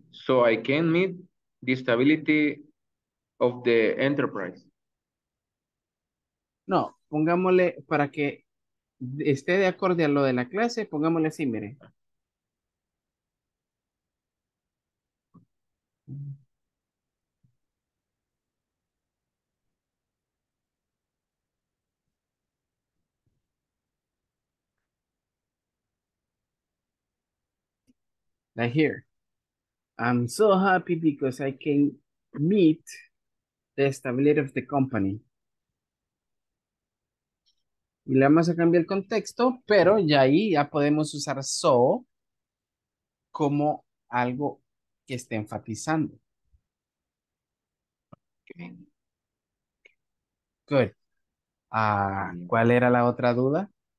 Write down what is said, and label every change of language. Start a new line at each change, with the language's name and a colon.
English: So I can meet the stability of the enterprise.
Spanish: No, pongámosle para que esté de acorde a lo de la clase, pongámosle así, mire.
English: Right here. I'm so happy because I can meet the stability of the company.
Spanish: Y le vamos a cambiar el contexto, pero ya ahí ya podemos usar so como algo que esté enfatizando. Good. ¿Cuál era la otra duda?